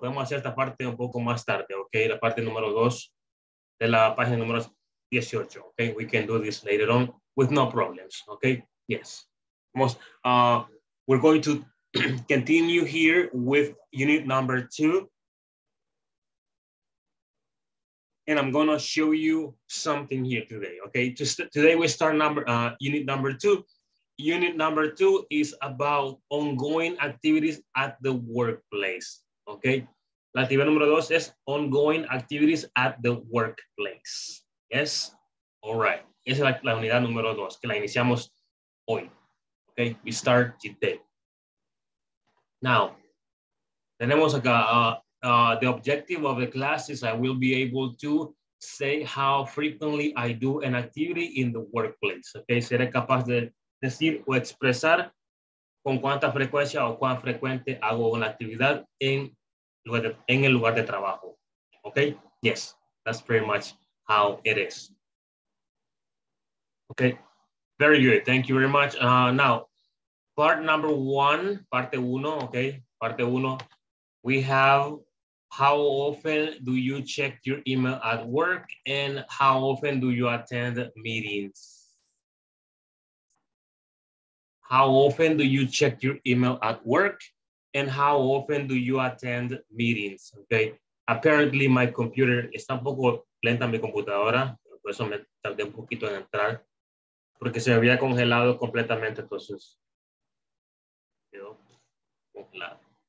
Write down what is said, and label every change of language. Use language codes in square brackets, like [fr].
[es] Podemos hacer esta parte un poco más tarde, okay? La parte número dos de la página número 18, okay? [en] We can do this later on with no problems, okay? Yes. [es] Vamos, [en] we're going to continue here with unit number two. And I'm gonna show you something here today, okay? Today we start unit number two. Unit number two is about ongoing activities at the workplace, okay? [es] La actividad número dos es [en] ongoing activities at the workplace. Yes? All right. [es] Esa es la unidad número dos, que la iniciamos hoy, okay? [en] We start today. Now, [es] tenemos acá, [en] the objective of the class is I will be able to say how frequently I do an activity in the workplace. [es] Okay, seré capaz de decir o expresar con cuánta frecuencia o cuán frecuente hago una actividad en el lugar de trabajo. [en] Okay, yes, that's pretty much how it is. Okay, very good. Thank you very much. Now, part number one, [es] parte uno, [en] okay, parte uno, we have how often do you check your email at work and how often do you attend meetings? How often do you check your email at work and how often do you attend meetings? Okay. Apparently, my computer [es] está un poco lenta, mi computadora, por eso me tardé un poquito en entrar, porque se había congelado completamente, entonces quedó congelado.